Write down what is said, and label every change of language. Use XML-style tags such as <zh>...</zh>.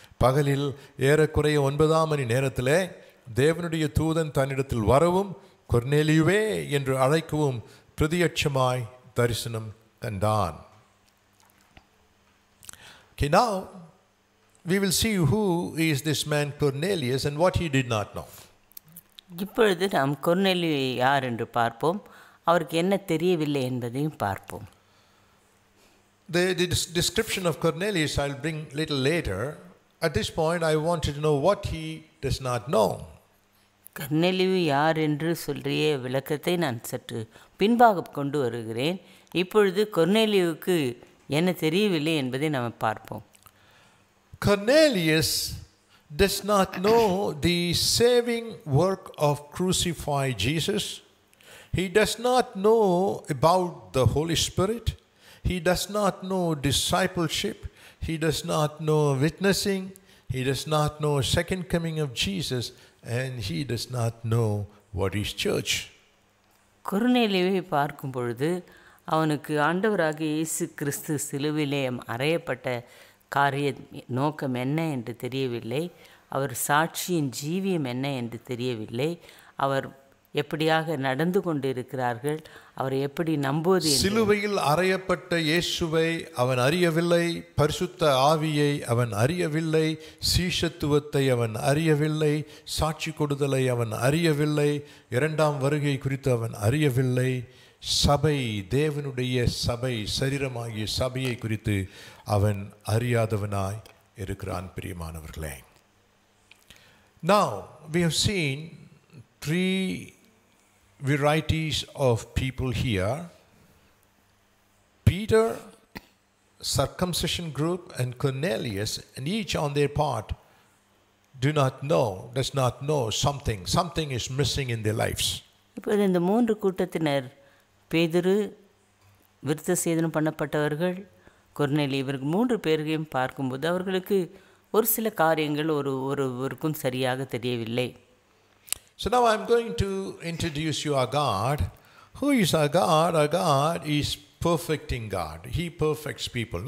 <ta>பகலில் ஏறக்குறைய 9 மணி நேரத்தில் தேவனுடைய தூதன் தன்னிடத்தில் வரவும் கொர்னேலியுவே என்று அழைக்கவும் பிரதியட்சமாய் தரிசனம் கண்டான்.</ta> <en>Okay, now we will see who is this man Cornelius and what he did not know.</en> <ta>இப்பொழுது நாம் கொர்னேலியுவை யார் என்று பார்ப்போம், அவருக்கு என்ன தெரியவில்லை என்பதையும் பார்ப்போம்.</ta> <en>The description of Cornelius I'll bring little later. At this point I wanted to know what he does not know.</en> <ta>கர்னேலியு யார் என்று சொல்லிய விளக்கத்தை நான் சற்று பின்பாக கொண்டு வருகிறேன். இப்பொழுது கர்னேலியுக்கு என்ன தெரியவில்லை என்பதை நாம் பார்ப்போம்.</ta> <en>Cornelius does not know the saving work of crucified Jesus. He does not know about the Holy Spirit. He does not know discipleship. He does not know witnessing, he does not know second coming of Jesus, and he does not know what is church.</en> <ta>கொர்னேலியுவை பார்க்கும் பொழுது அவனுக்கு ஆண்டவராகிய இயேசு கிறிஸ்து சிலுவிலே அறையப்பட்ட காரிய நோக்கம் என்ன என்று தெரியவில்லை. அவர் சாட்சியின் ஜீவியம் என்ன என்று தெரியவில்லை. அவர் எப்படியாக நடந்து கொண்டிருக்கிறார்கள், அவரை எப்படி நம்புவது. சிலுவையில் அறையப்பட்ட இயேசுவை அவன் அறியவில்லை, பரிசுத்த ஆவியை அவன் அறியவில்லை, சீஷத்துவத்தை அவன் அறியவில்லை, சாட்சி கொடுதலை அவன் அறியவில்லை, இரண்டாம் வருகை குறித்து அவன் அறியவில்லை, சபை தேவனுடைய சபை சரீரமாகிய சபையை குறித்து அவன் அறியாதவனாய் இருக்கிறான். பிரியமானவர்களே,</ta> <en>Now we have seen three varieties of people here: Peter, circumcision group, and Cornelius, and each on their part does not know something is missing in their lives.</en> <ta>இப்போ இந்த மூன்று கூட்டத்தினர், பேதுரு, விருத்த சேதனம் பண்ணப்பட்டவர்கள், கொர்னேலியு, இவர்கள் மூன்று பேர்களையும் பார்க்கும்போது அவர்களுக்கு ஒரு சில காரியங்கள் ஒருவருக்கும் சரியாக தெரியவில்லை.</ta> <en>So now I'm going to introduce you our God. Who is our God? Our God is perfecting God. He perfects people.</en>